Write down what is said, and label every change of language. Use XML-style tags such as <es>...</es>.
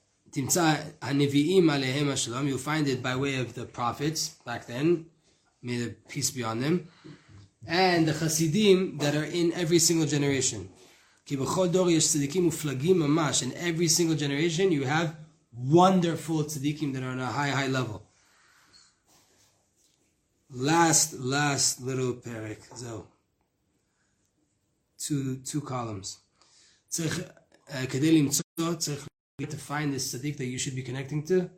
<he>תמצא הנביאים עליהם השלום.</he> <en>You'll find it by way of the prophets back then. May the peace be on them. And the Hasidim that are in every single generation.</en> <he>כי בכל דור יש צדיקים ופלגים ממש.</he> <en>In every single generation you have wonderful צדיקים that are on a high, high level. Last little פרק. זהו. Two columns.</en> <he>צריך, כדי למצוא, צריך</he> <en>to find this צדיק that you should be connecting to.</en>